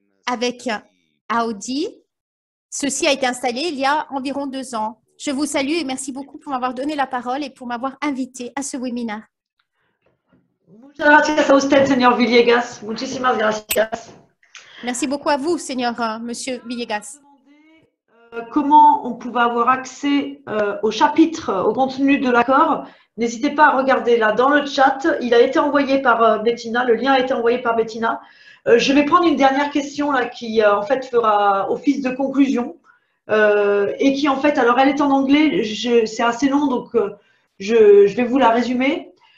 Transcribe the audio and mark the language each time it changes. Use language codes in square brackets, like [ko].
[fr] Avec Audi, ceci a été installé il y a environ 2 ans. Je vous salue et merci beaucoup pour m'avoir donné la parole et pour m'avoir invité à ce webinaire. [es] Muchas gracias a usted, señor Villegas. Muchísimas gracias. [fr] Merci beaucoup à vous, Seigneur, Monsieur Villegas. Comment on pouvait avoir accès au chapitre, au contenu de l'accord? N'hésitez pas à regarder là dans le chat. Il a été envoyé par Bettina, le lien a été envoyé par Bettina. Je vais prendre une dernière question là qui en fait fera office de conclusion et qui en fait, alors elle est en anglais, c'est assez long donc je vais vous la résumer.